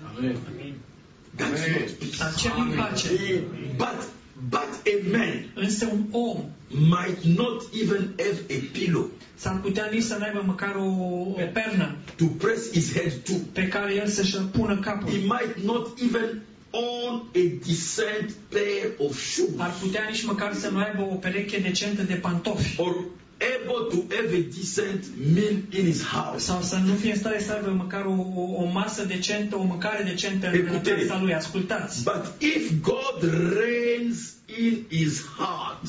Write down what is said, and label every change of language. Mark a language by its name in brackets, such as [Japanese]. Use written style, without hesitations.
[English] Amen. That's not peace. [Romanian] Aceea nu-i pace. [English] But a man. [Romanian] Însă un om. [English] Might not even have a pillow. [Romanian] S-ar putea nici să n-aibă măcar o pernă [English] to press his head to. [Romanian] Pe care el să-și pună capul. [English] He might not even own a decent pair of shoes. [Romanian] Ar putea nici măcar să nu aibă o pereche decentă de pantofi. [English] Or able to have a decent meal in his house. [Romanian] Sau să nu fie în stare să aibă măcar o masă decentă, o mâncare decentă în casa lui. Ascultați. [English] But if God reigns in his heart.